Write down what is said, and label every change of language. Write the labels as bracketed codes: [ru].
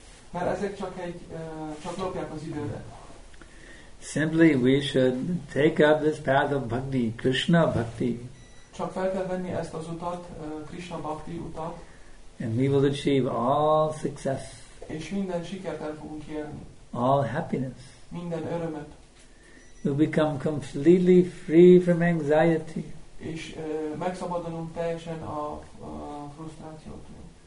[hu] Mert ezek csak lopják az időt. [en] Simply we should take up this path of bhakti, Krishna bhakti. [hu] Csak fel kell venni ezt az utat, Krishna bhakti utat. [en] And we will achieve all success. [hu] És minden sikert el fogunk érni. [en] All happiness. [hu] Minden örömet. [en] We'll become completely free from anxiety. [hu] És megszabadulunk teljesen a frusztrációtól.